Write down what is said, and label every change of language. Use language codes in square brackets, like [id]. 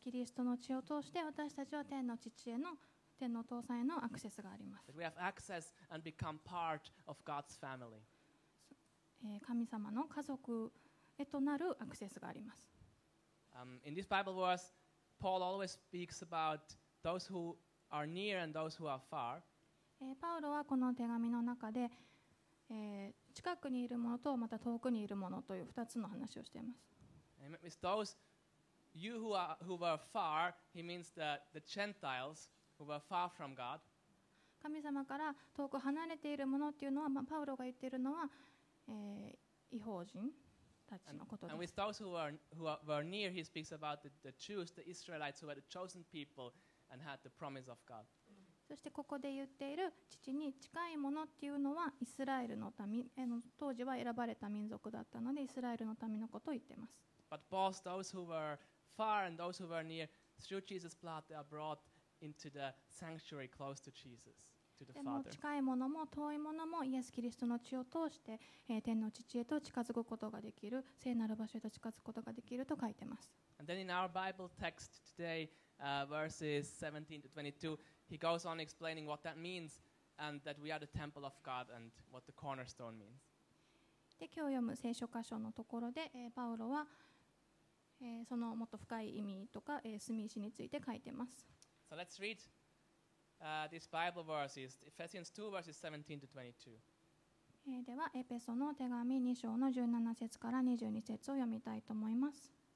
[ja] キリストの血を通して私たちは天の父への天のお父さんへのアクセスがあります。 [en] we have access and become part of God's family. [ja] 神様の家族へとなるアクセスがあります。 [en] in this Bible verse, Paul always speaks about those whoare near and those who are far. [ja] パウロはこの手紙の中で、近くにいるものとまた遠くにいるものという2つの話をしています。 [en] With those you who were far, he means the Gentiles who were far from God. [ja] 神様から遠く離れているものっていうのは、パウロが言っているのは、異邦人たちのことです。 [en] And with those who were near, he speaks about the Jews, the Israelites who were the chosen people. And had the promise of God. [ja] そしてここで言っている父に近いものっていうのはイスラエルの民、当時は選ばれた民族だったのでイスラエルの民のことを言ってます。 [en] But both those who were far and those who were near, through Jesus' blood, they are brought into the sanctuary close to Jesus, to the Father. [ja] でも近いものも遠いものもイエス・キリストの血を通して、天の父へと近づくことができる、聖なる場所へと近づくことができると書いてます。 [en] And then in our Bible text today,verses 17 to 22, he goes on explaining what that means and that we are the temple of God and what the cornerstone means. [ja] で、今日読む聖書箇所のところで、パウロは、そのもっと深い意味とか、住石について書いてます。 [en] So let's read this Bible verses, Ephesians 2 verses 17 to 22. [ja] では、エペソの手紙2章の17節から22節を読みたいと思います。